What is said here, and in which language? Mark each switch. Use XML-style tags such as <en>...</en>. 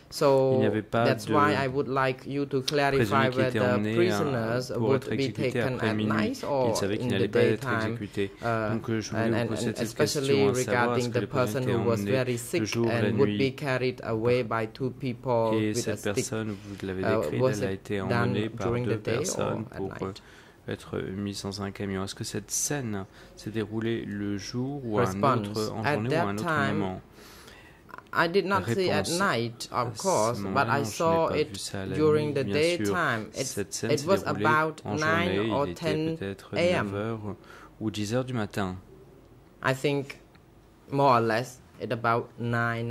<en>So that's why I would like you to clarify whether the prisoners would be taken at night or in the daytime, and especially regarding the person who was very sick and would be carried away by two people with a stick. Was it done during the day or at night?</en> <fr>Être mis dans un camion. Est-ce que cette scène s'est déroulée le jour ou un autre en journée ou un autre moment?</fr> <en>I did not see at night, of course, but I saw it during the daytime. It was about 9 or 10 a.m.</en> <fr>ou 10 heures du matin.</fr> <en>I think more or less at about 9,</en>